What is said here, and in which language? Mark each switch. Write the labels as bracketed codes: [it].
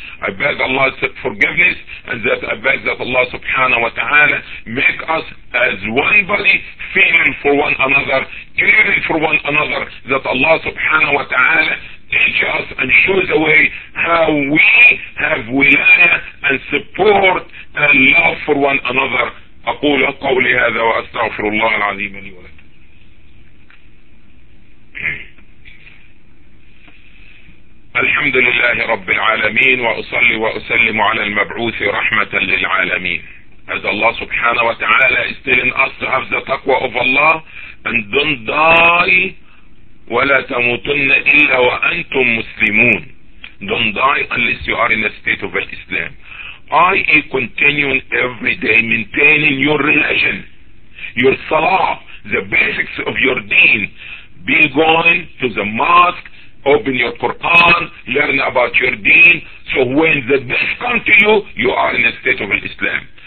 [en] I beg Allah's forgiveness, and that I beg that Allah subhanahu wa ta'ala make us as one body, feeling for one another, caring for one another, that Allah subhanahu wa ta'ala teach us and show the way how we have wilayah and support and love for one another. [ar] أقول قولي هذا وأستغفر الله العظيم لي ولكم. الحمد لله رب العالمين وأصلي وأسلم على المبعوث رحمة للعالمين. [en] As Allah subhanahu wa ta'ala is telling us to have the taqwa of Allah and don't die [ar] ولا تموتن إلا وأنتم مسلمون. [en] Don't die unless you are in a state of Islam. I a continuing every day maintaining your religion, your salah, the basics of your deen, be going to the mosque, open your Quran, learn about your deen, so when the best come to you, you are in a state of Islam.